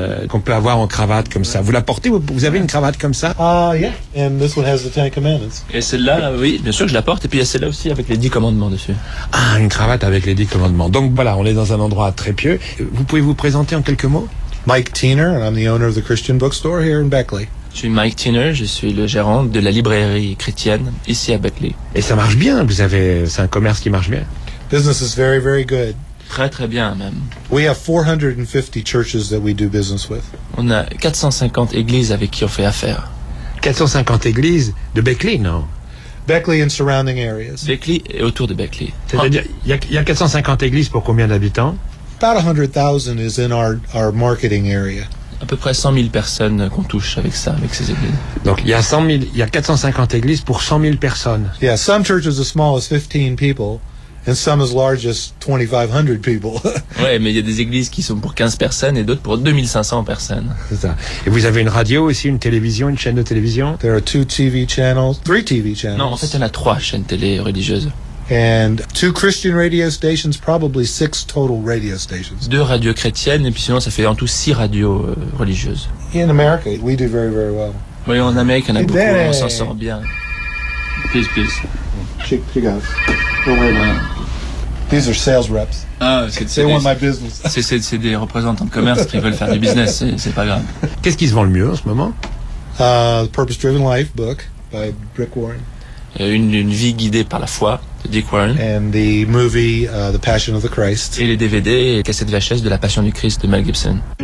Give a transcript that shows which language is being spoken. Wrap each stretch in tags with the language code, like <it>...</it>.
<fr>Qu'on peut avoir en cravate comme ça. Vous la portez, vous avez une cravate comme ça?</fr> <en>Yeah. And this one has the Ten Commandments.</en> <fr>Et celle-là, oui, bien sûr que je la porte. Et puis il y a celle-là aussi avec les 10 commandements dessus. Ah, une cravate avec les 10 commandements. Donc voilà, on est dans un endroit très pieux. Vous pouvez vous présenter en quelques mots?</fr> <en>Mike Tiener, and I'm the owner of the Christian Bookstore here in Beckley.</en> <fr>Je suis Mike Tiener, je suis le gérant de la librairie chrétienne ici à Beckley. Et ça marche bien, c'est un commerce qui marche bien.</fr> <en>Business is very, very good.</en> <fr>Très, très bien même.</fr> <en>We have 450 churches that we do business with.</en> <fr>On a 450 églises avec qui on fait affaire. 450 églises de Beckley, non?</fr> <en>Beckley and surrounding areas.</en> <fr>Beckley et autour de Beckley. C'est-à-dire, il y a 450 églises pour combien d'habitants?</fr> <en>About 100,000 is in our marketing area.</en> <fr>À peu près 100,000 personnes qu'on touche avec ça, avec ces églises. Donc il y a 450 églises pour 100,000 personnes.</fr> <en>Yeah, some churches as small as 15 people, and some as large as 2,500 people.</en> <fr>Ouais, mais il y a des églises qui sont pour 15 personnes et d'autres pour 2,500 personnes. C'est ça. Et vous avez une radio aussi, une télévision, une chaîne de télévision?</fr> <en>There are 2 TV channels, 3 TV channels.</en> <fr>Non, en fait, il y en a 3 chaînes télé religieuses.</fr> <en>And 2 Christian radio stations, probably 6 total radio stations.</en> <fr>2 radios chrétiennes, et puis sinon ça fait en tout 6 radios religieuses.</fr> <en>In America, we do very, very well.</en> <fr>Oui, en Amérique, on a beaucoup, on s'en sort bien.</fr> <en>Peace, peace. Check out. Don't worry about it. These are sales reps. They want my business.</en> <fr>C'est des représentants de commerce qui veulent faire du business, c'est pas grave. Qu'est-ce qui se vend le mieux en ce moment?</fr> <en>The Purpose Driven Life book by Rick Warren.</en> <fr>Une vie guidée par la foi de Dick Warren.</fr> <en>And the movie, The Passion of the Christ.</en> <fr>Et les DVD et cassettes VHS de La Passion du Christ de Mel Gibson.</fr>